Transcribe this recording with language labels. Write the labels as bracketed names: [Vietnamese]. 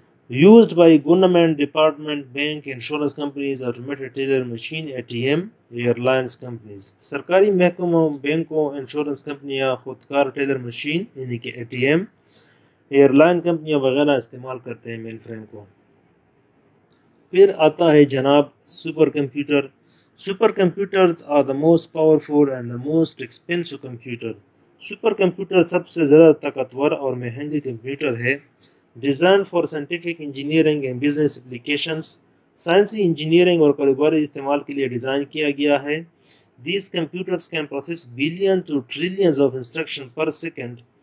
[English] Used by government department, bank, insurance companies, automated teller machine, A T M, airlines companies. [Urdu] سرکاری محکموں، بینکوں، insurance کمپنیاں، خودکار tailor machine یعنی کہ A T M, air line کمپنیاں وغیرہ استعمال کرتے ہیں مین فریم کو. پھر آتا ہے جناب super computer. [English] Supercomputers are the most powerful and the most expensive computer. [Urdu] Super computer سب سے زیادہ طاقتور اور مہنگی کمپیوٹر ہے. [English] design for scientific engineering and business applications, [Urdu] سائنسی انجینئرنگ اور کاروباری استعمال کے لیے ڈیزائن کیا گیا ہے. [English] These computers can process billion to trillions of instruction per second.